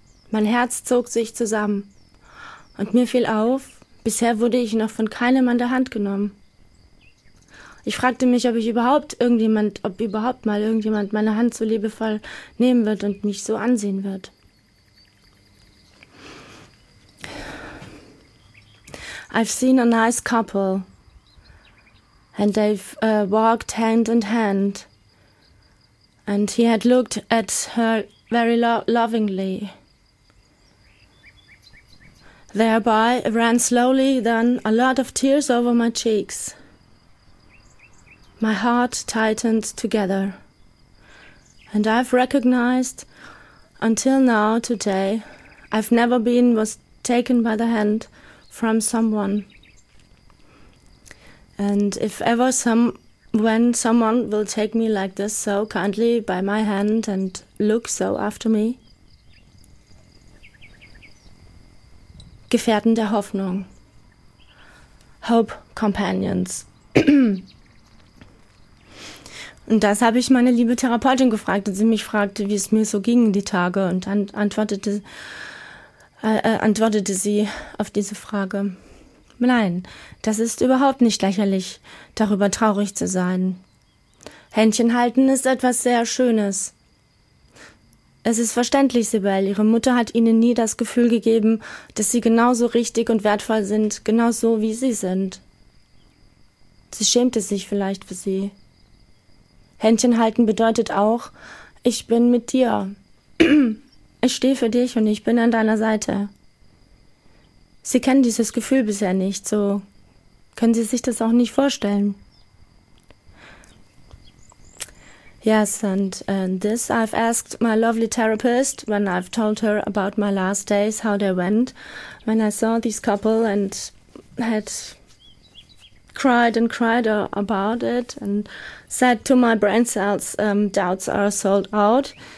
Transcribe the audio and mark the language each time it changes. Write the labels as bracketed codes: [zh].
[de] Mein Herz zog sich zusammen. Und mir fiel auf, bisher wurde ich noch von keinem an der Hand genommen. Ich fragte mich, ob überhaupt mal irgendjemand meine Hand so liebevoll nehmen wird und mich so ansehen wird. [en] I've seen a nice couple, and they've walked hand in hand, and he had looked at her very lovingly. Thereby ran slowly then a lot of tears over my cheeks. My heart tightened together, and I've recognized until now today I've never been was taken by the hand from someone, and if ever someone will take me like this so kindly by my hand and look so after me. [de] Gefährten der Hoffnung, Hope Companions. Und das habe ich meine liebe Therapeutin gefragt, und sie mich fragte, wie es mir so ging die Tage, und dann antwortete sie auf diese Frage: Nein, das ist überhaupt nicht lächerlich, darüber traurig zu sein. Händchen halten ist etwas sehr Schönes. Es ist verständlich, Sibel, ihre Mutter hat ihnen nie das Gefühl gegeben, dass sie genauso richtig und wertvoll sind, genauso wie sie sind. Sie schämte sich vielleicht für sie. Händchen halten bedeutet auch, ich bin mit dir. Ich stehe für dich und ich bin an deiner Seite. Sie kennen dieses Gefühl bisher nicht, so können Sie sich das auch nicht vorstellen. [en] Yes, and this I've asked my lovely therapist when I've told her about my last days, how they went, when I saw this couple and had cried and cried about it and said to my brain cells, doubts are sold out.